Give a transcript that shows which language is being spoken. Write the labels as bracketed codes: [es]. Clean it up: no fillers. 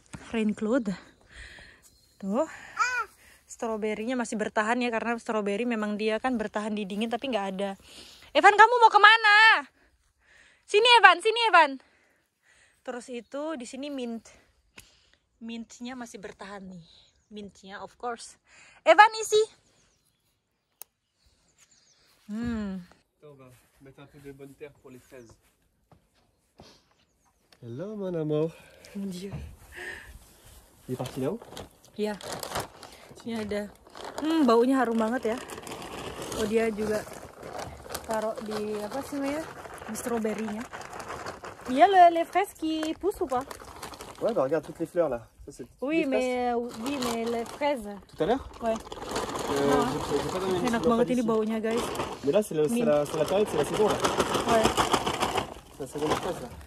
[id] Raincloth. Tuh. Strawberry-nya masih bertahan ya, karena strawberry memang dia kan bertahan di dingin tapi enggak ada. Evan, kamu mau kemana? Sini Evan, sini Evan. Terus itu di sini mint. Mint-nya masih bertahan nih. Mint-nya [en] of course. [id] Evan, isi. [fr] Attends, on va mettre un peu de bonne terre pour les fraises. Hello, mon amour. Mon Dieu. Il est parti là-haut? [id] Iya. Ini ada. Baunya harum banget ya. Oh, dia juga taruh di apa sih namanya? Di stroberinya. [fr] Il y a les fraises qui poussent ou pas? Ouais, bah regarde toutes les fleurs là. Ça, c'est oui, mais les fraises. Tout à l'heure? Ouais. Ah, [id] enak banget ini baunya guys. [fr] Mais là c'est la période, c'est la saison là. Ouais. C'est la saison des fraises.